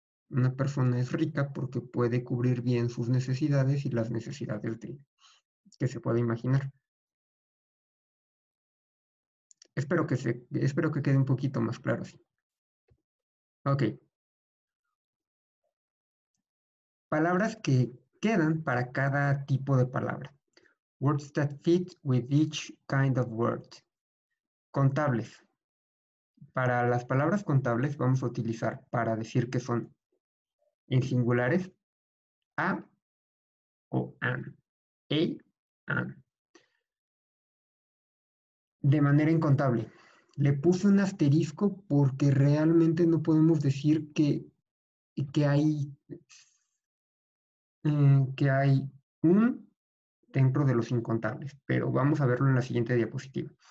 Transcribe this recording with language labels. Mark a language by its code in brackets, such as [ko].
[es] Una persona es rica porque puede cubrir bien sus necesidades y las necesidades que se puede imaginar. Espero que quede un poquito más claro así. Ok. Palabras que quedan para cada tipo de palabra. [en] Words that fit with each kind of word. [es] Contables. Para las palabras contables vamos a utilizar para decir que son en singulares a o an. An. De manera incontable. Le puse un asterisco porque realmente no podemos decir que hay un dentro de los incontables, pero vamos a verlo en la siguiente diapositiva.